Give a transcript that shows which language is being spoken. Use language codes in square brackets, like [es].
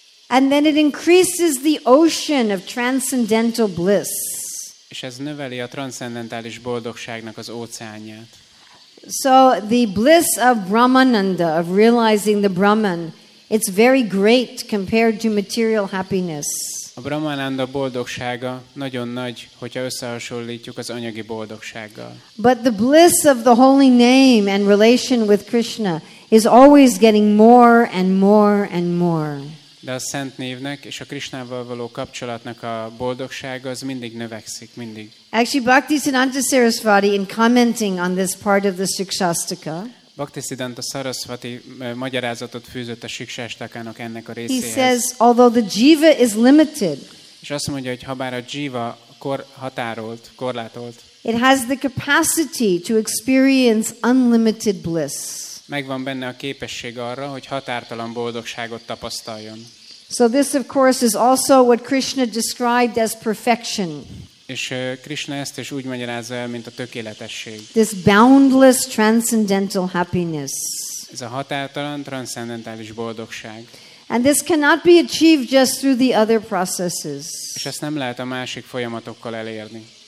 [en] And then it increases the ocean of transcendental bliss. [hu] És ez növeli a transzcendentális boldogságnak az óceánját. [en] So the bliss of Brahmananda, of realizing the Brahman, it's very great compared to material happiness. [hu] A Brahmananda boldogsága nagyon nagy, hogyha összehasonlítjuk az anyagi boldogsággal. [en] But the bliss of the holy name and relation with Krishna is always getting more and more and more. [hu] De a szent névnek és a Krishnával való kapcsolatnak a boldogsága az mindig növekszik, mindig. [en] Actually, Bhaktisiddhanta Sarasvati, in commenting on this part of the Sikshastaka, [hu] Bhaktisiddhanta Sarasvati magyarázatot fűzött a Sikshastakának ennek a részéhez. [en] He says, although the jiva is limited, [hu] és azt mondja, hogy habár a jiva korhatárolt, korlátolt, [en] it has the capacity to experience unlimited bliss. [hu] Megvan benne a képesség arra, hogy határtalan boldogságot tapasztaljon. [en] So this of course is also what Krishna described as perfection. [hu] És Krishna ezt is úgy magyarázza el, mint a tökéletesség. [en] This boundless transcendental happiness. [hu] Ez a határtalan transzcendentális boldogság. [en] And this cannot be achieved just through the other processes. [hu] És ezt nem lehet a másik folyamatokkal elérni.